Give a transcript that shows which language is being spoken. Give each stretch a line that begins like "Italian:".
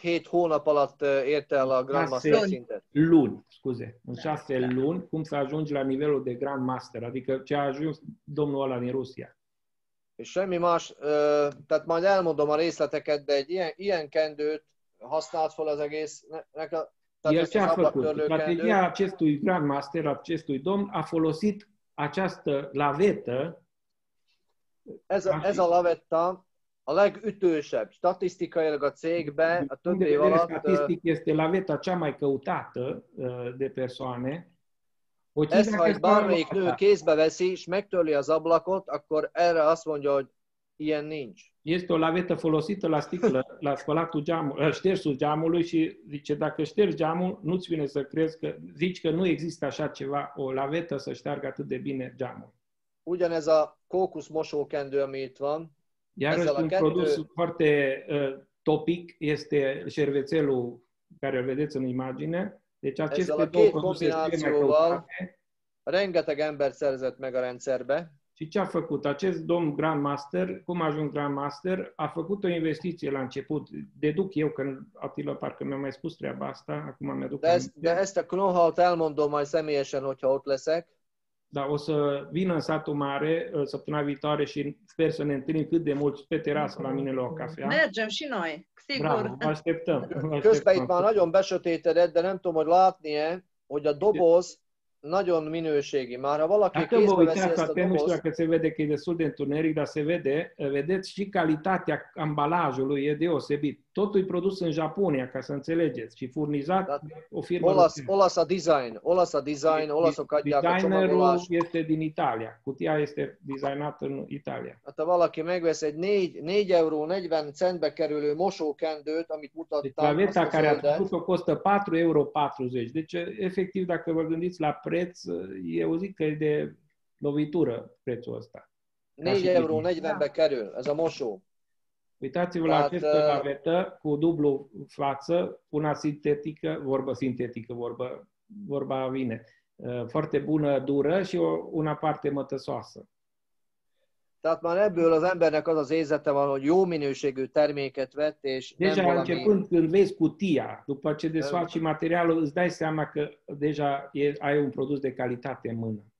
Hungarian: hónap alatt érte el a Grandmaster szintet.
Romanian: Luni, scuze. În 6 luni, cum să ajungi la nivelul de Grandmaster, adică ce a ajuns domnul ăla din Rusia.
Hungarian: És semmi más, tehát majd elmondom a részleteket, de egy ilyen kendőt használt fel az egész,
Romanian: el ce a făcut? Strategia acestui Grandmaster, acestui domn, a folosit această lavetă.
Hungarian: Ez a lavetta a legütősebb statisztikailag a cégbe, a több év alatt...
Romanian: Statisztik este laveta cea mai căutată de persoane.
Hungarian: Ez, ha egy bármelyik nő kézbe veszi, és megtörli az ablakot, akkor erre azt mondja, hogy ilyen nincs.
Romanian: Este o lavetă folosită la sticlă, la spălatul geamului, ștersul geamului și zice, dacă ștergi geamul, nu-ți vine să crezi că, zici că nu există așa ceva, o lavetă să șteargă atât de bine geamul.
Hungarian: Ugyanez a kókusz mosókendő, ami itt van.
Romanian: Iar un kendő... produs foarte topic este șervețelul care îl vedeți în imagine. Deci aceste două produse este mai căutate.
Hungarian: Rengeteg ember szerzett meg a rendszerbe.
Romanian: Și ce a făcut? Acest domn Grandmaster, cum a ajuns Grandmaster, a făcut o investiție la început. Deduc eu că Attila parcă mi-a mai spus treaba asta, acum mi-aduc aminte.
Hungarian: De asta know-how-t elmondom mai személyesen, hogyha ott leszek.
Romanian: Da, o să vin în satul mare săptămâna viitoare și sper să ne întâlnim cât de mulți pe terasă la mine la o cafea. Mergem și noi, sigur. Bravo, așteptăm.
Hungarian: Közben itt már nagyon besötétedett, de nem tudom, hogy látni-e, hogy a doboz nagyon minőségi. Már ha valaki kézbe veszi ezt a dobozt...
Romanian: Dacă vă uitați, atent, nu știu dacă se vede că e destul de întuneric, dar se vede, vedeți și calitatea ambalajului, e deosebit. Totul e produs în Japonia, ca să înțelegeți, și furnizat o firmă... Olasa Design, Olasa Cadia, designerul este din Italia, cutia este designată în Italia.
Hungarian: Atât valaki megvesz egy 4,40 € kerülő mosókendőt, amit mutattam...
Romanian: Laveta care a trecut-o costă 4,40 €. Deci, efectiv, dacă vă gândiți la preț, eu zic că e de lovitură prețul ăsta.
Hungarian: 4,40 € kerül, ez a mosó.
Romanian: Uitați-vă la această lavetă cu dublu față, una sintetică, vorbă sintetică, vorba vine. Foarte bună, dură și una parte mătăsoasă.
Hungarian: Tehát már ebből az embernek az az érzete van, hogy jó minőségű terméket vett, és nem
Romanian: deja
Hungarian: valami...
Romanian: Începând când vezi cutia, după ce desfaci materialul, îți dai seama că deja ai un produs de calitate în mână.